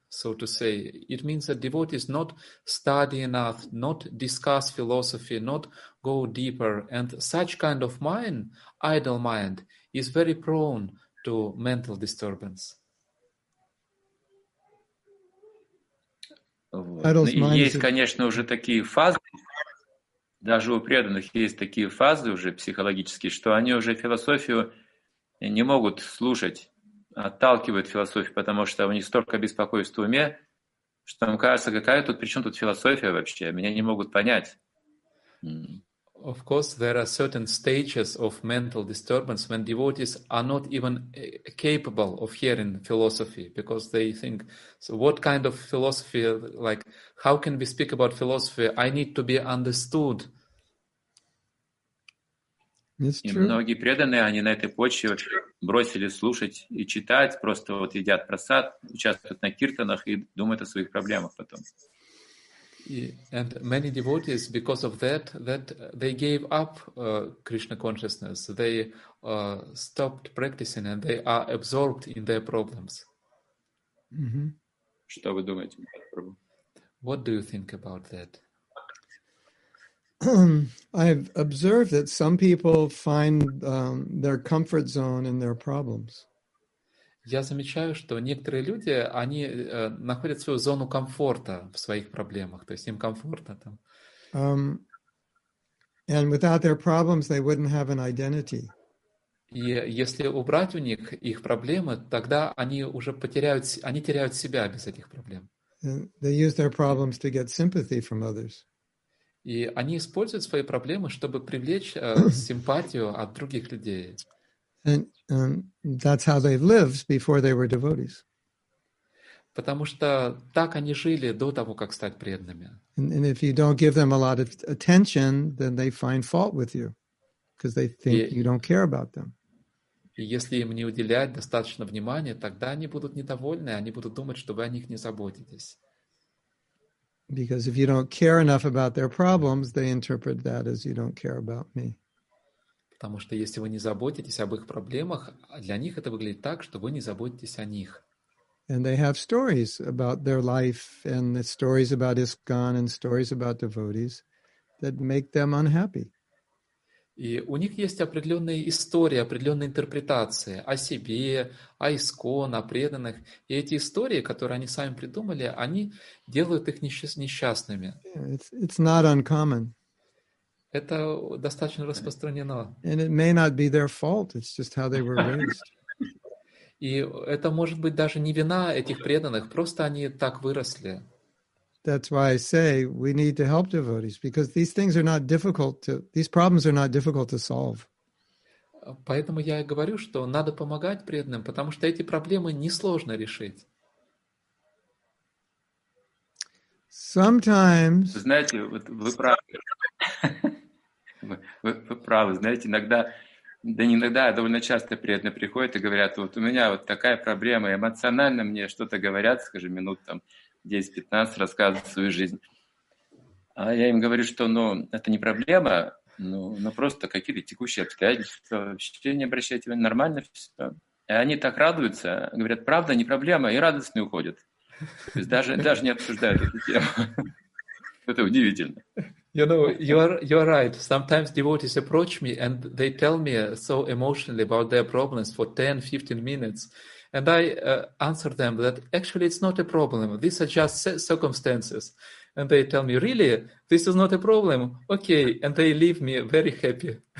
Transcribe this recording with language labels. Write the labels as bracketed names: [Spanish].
[English] So to say, it means that devotees not study enough, not discuss philosophy, not go deeper, and such kind of mind, idle mind, is very prone to mental disturbance. [Russian] Есть, конечно, уже такие фазы, даже у преданных есть такие фазы уже психологические, что они уже философию не могут слушать. Отталкивают философию, потому что у них столько беспокойств в уме, что им кажется, какая тут, при чем тут философия вообще? Меня не могут понять. [English] Of course, there are certain stages of mental disturbance when devotees are not even capable of hearing philosophy, because they think, so what kind of philosophy, like, how can we speak about philosophy? I need to be understood. It's [Russian] и [English] true. [Russian] Многие преданные, они на этой почве бросили слушать и читать, просто вот едят просад, участвуют на киртанах и думают о своих проблемах потом. [English] And many devotees, because of that they gave up Krishna consciousness, they stopped practicing and they are absorbed in their problems. Mm-hmm. [Russian] Что вы думаете, Прабху? [English] What do you think about that? I've observed that some people find their comfort zone in their problems. [Russian] Я замечаю, что некоторые люди, они находят свою зону комфорта в своих проблемах, то есть им комфортно там. [English] And without their problems, they wouldn't have an identity. [Russian] И если убрать у них их проблемы, тогда они уже потеряют, они теряют себя без этих проблем. [English] They use their problems to get sympathy from others. [Russian] И они используют свои проблемы, чтобы привлечь симпатию от других людей. [English] And that's how they lived before they were devotees. [Russian] Потому что так они жили до того, как стать преданными. [English] And if you don't give them a lot of attention, then they find fault with you, because they think you don't care about them. [Russian] И если им не уделять достаточно внимания, тогда они будут недовольны, они будут думать, что вы о них не заботитесь. [English] Because if you don't care enough about their problems, they interpret that as you don't care about me. [Russian] Потому что если вы не заботитесь об их проблемах, для них это выглядит так, что вы не заботитесь о них. [English] And they have stories about their life and the stories about ISKCON and stories about devotees that make them unhappy. [Russian] И у них есть определенные истории, определенные интерпретации о себе, о ISKCON, о преданных. И эти истории, которые они сами придумали, они делают их несчастными. [English] It's not uncommon. [Russian] Это достаточно распространено. [English] And it may not be their fault, it's just how they were raised. [Russian] И это может быть даже не вина этих преданных, просто они так выросли. [English] That's why I say we need to help devotees, because these things are not difficult to, these problems are not difficult to solve. [Russian] Поэтому я и говорю, что надо помогать преданным, потому что эти проблемы несложно решить. [English] Sometimes. [Russian] Знаете, вот вы правы. Вы правы. Знаете, иногда, да не иногда, а довольно часто преданные приходят и говорят: вот у меня вот такая проблема, эмоционально мне что-то говорят, скажем, минут там 10-15, рассказывают свою жизнь. А я им говорю, что ну, это не проблема, ну просто какие-то текущие обстоятельства, вообще не обращайте внимания, нормально все. И они так радуются, говорят, правда, не проблема, и радостные уходят. То есть даже не обсуждают эту тему. Это удивительно. [English] You know, you are right. Sometimes devotees approach me and they tell me so emotionally about their problems for 10-15 minutes. And I answer them that actually it's not a problem. These are just circumstances. And they tell me, really? This is not a problem? Okay. And they leave me very happy.